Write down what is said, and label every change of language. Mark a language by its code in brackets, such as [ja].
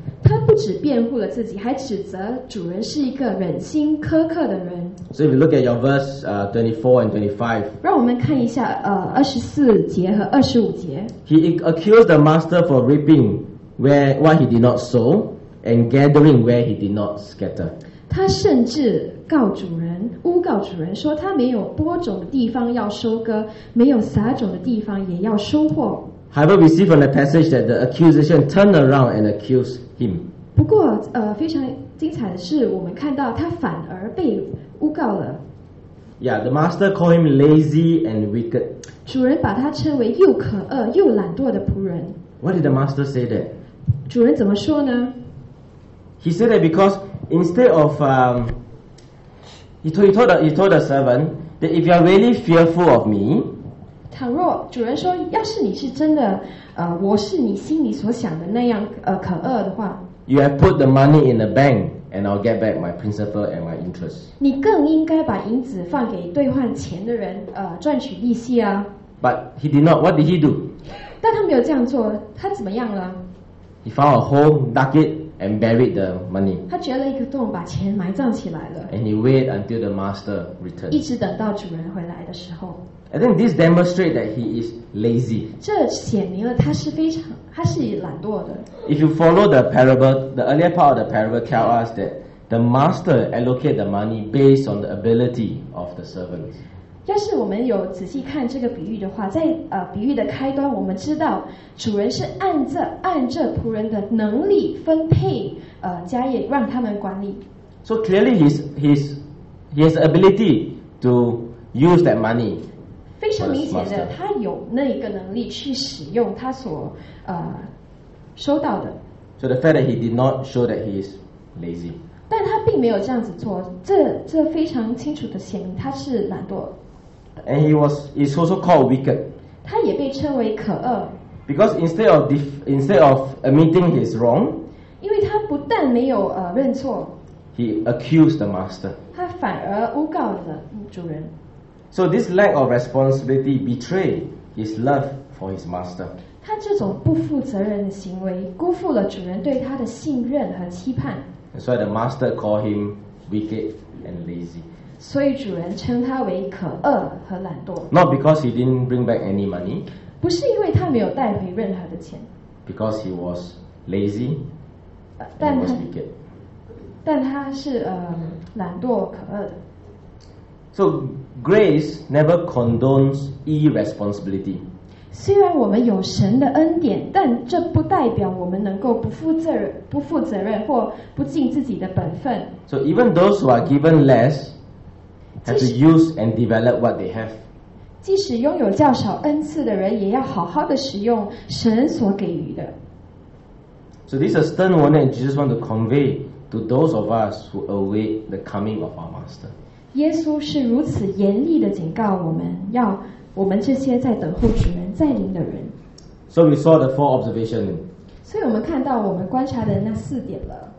[zh] 他不止辩护了自己，还指责主人是一个忍心苛刻的人。 [en] So if you look at your verse 24 and 25, [zh] 让我们看一下24节和25节。 [en] He accused the master for reaping where what he did not sow and gathering where he did not scatter. [zh] 他甚至告主人，诬告主人说他没有播种的地方要收割，没有撒种的地方也要收获。 [en] However, we see from the passage that the accusation turned around and accused him. [zh] 不过非常精彩的是我们看到他反而被诬告了。 [en] Yeah, the master called him lazy and wicked. [zh] 主人把他称为又可恶又懒惰的仆人。 [en] What did the master say that? [zh] 主人怎么说呢？ [en] He said that because instead of, he told the servant that if you are really fearful of me, [zh] 倘若主人说，要是你是真的，我是你心里所想的那样，可恶的话。 [en] You have put the money in the bank, and I'll get back my principal and my interest. [zh] 你更应该把银子放给兑换钱的人，赚取利息啊。 [en] But he did not. What did he do? [zh] 但他没有这样做，他怎么样了？ [en] He found a hole, dug it, and buried the money. [zh] 他掘了一个洞，把钱埋葬起来了。 [en] And he waited until the master returned. [zh] 一直等到主人回来的时候。 [en] I think this demonstrates that he is lazy. [zh] 这显明了他是懒惰的。 [en] If you follow the parable, the earlier part of the parable tells us that the master allocate the money based on the ability of the servant. [zh] 要是我们有仔细看这个比喻的话，在比喻的开端，我们知道主人是按着仆人的能力分配家业，让他们管理。 [en] So clearly, he has the ability to use that money. [zh] 非常明显的，他有那个能力去使用他所收到的。 [en] So the fact that he did not show that he is lazy. [zh] 但他并没有这样子做，这非常清楚的显明他是懒惰。 [en] And he was is also called wicked. [zh] 他也被称为可恶。 [en] Because instead of admitting his wrong, [zh] 因为他不但没有认错 [en] ，he accused the master. [zh] 他反而诬告了主人。 [en] So this lack of responsibility betrayed his love for his master. [zh] 他这种不负责任的行为辜负了主人对他的信任和期盼。 [en] That's why the master called him wicked and lazy. [zh] 所以主人称他为可恶和懒惰。 [en] Not because he didn't bring back any money. [zh] 不是因为他没有带回任何的钱。 [en] Because he was lazy. And he was wicked. [zh] 但他是懒惰可恶的。 [en] So grace never condones irresponsibility. [zh] 虽然我们有神的恩典，但这不代表我们能够不负责任或不尽自己的本分。 [en] So even those who are given less have to use and develop what they have. [zh] 即使拥有较少恩赐的人，也要好好的使用神所给予的。 [en] So this is a stern warning Jesus wants to convey to those of us who await the coming of our Master. [zh] 耶稣是如此严厉的警告我们，要我们这些在等候主人再临的人。 [en] So we saw the four observations. [zh] 所以我们看到我们观察的那四点了。